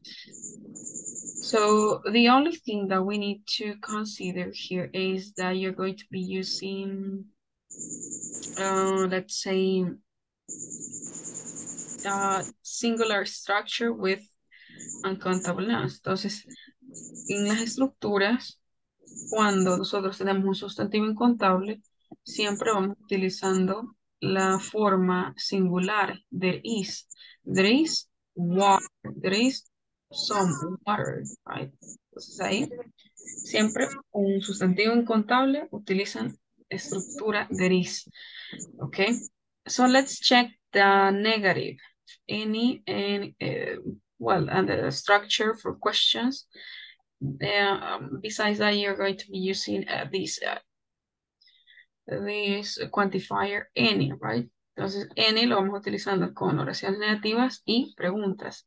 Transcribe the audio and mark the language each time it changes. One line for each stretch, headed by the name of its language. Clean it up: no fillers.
English: So the only thing that we need to consider here is that you're going to be using, let's say, singular structure with uncountable nouns.
Spanish: Entonces, en las estructuras, cuando nosotros tenemos un sustantivo incontable, siempre vamos utilizando la forma singular.
English: There is water, there is some water, right?
Spanish: Entonces ahí, siempre un sustantivo incontable utilizan estructura there is, okay?
English: So let's check the negative. And the structure for questions. Besides that, you're going to be using this quantifier any, right?
Spanish: Entonces, any lo vamos utilizando con oraciones negativas y preguntas.